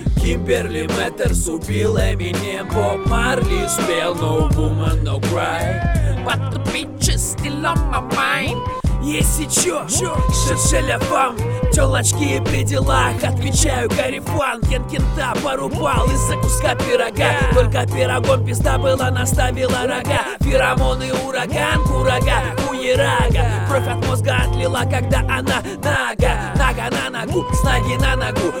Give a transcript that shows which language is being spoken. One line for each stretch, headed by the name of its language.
Russian: Кимберли Мэттерс убил Эминем. Боб Марли спел No Woman No Cry.
English: But the bitch is still on my mind.
Russian: Если чё, Шершеля вам, тёлочки и при делах, отвечаю Гарифан, Кенкента порубал из-за куска пирога. Только пирогом пизда была, наставила рога. Феромон и ураган, курага, хуерага. Кровь от мозга отлила, когда она нага. Нага на ногу, с ноги на ногу.